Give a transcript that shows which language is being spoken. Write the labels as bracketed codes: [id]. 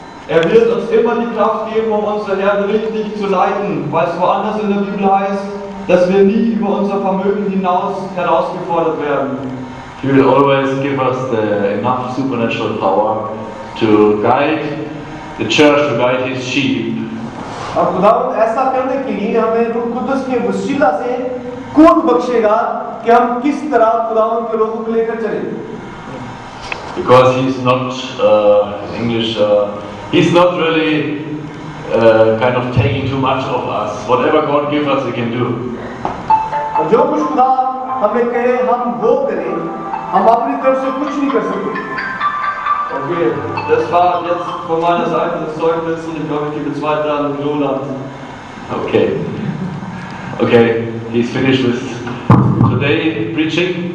[de] Er wird uns immer die Kraft geben, um unser Herz richtig zu leiten, weil es woanders in der Bibel heißt, dass wir nie über unser Vermögen hinaus herausgefordert werden. [en] He will always give us the enough supernatural power to guide the church, to guide his sheep. [hi] और खुदावंद ऐसा करने के लिए हमें रूह कुदस के वसीला से कौन बख्शेगा कि हम किस तरह खुदावंद के लोगों को लेकर चलें? [en] Because he's not English, he's not really kind of taking too much of us. Whatever God gives us, he can do. [hi] जो कुछ खुदा हमें कहे हम वो करें, हम अपनी तरफ से कुछ नहीं कर सकते. [de] Okay, das war jetzt von meiner Seite das Zeugnis und ich glaube, ich gebe es weiter an Roland. Okay. [en] Okay, he's finished with today preaching.